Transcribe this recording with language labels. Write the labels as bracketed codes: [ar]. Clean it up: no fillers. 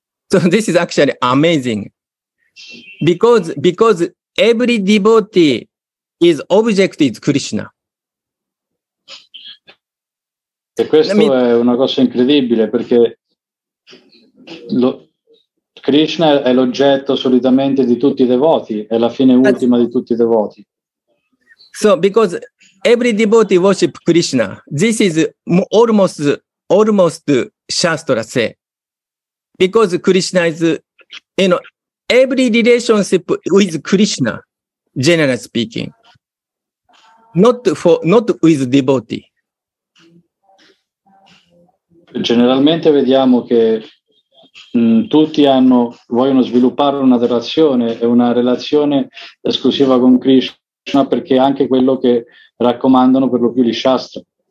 [en] So this is actually amazing. Because every devotee is object is Krishna. [it] E questo è una cosa incredibile, perché Krishna è l'oggetto solitamente di tutti i devoti, è la fine ultima di tutti i devoti. [en] So because every devotee worship Krishna, this is almost Shastra say. Because Krishna is, you know, every relationship with Krishna, generally speaking, not with devotee. [it] Generalmente vediamo che tutti vogliono sviluppare una relazione e una relazione esclusiva con Krishna, perché anche quello che raccomandano per lo più gli Shastra.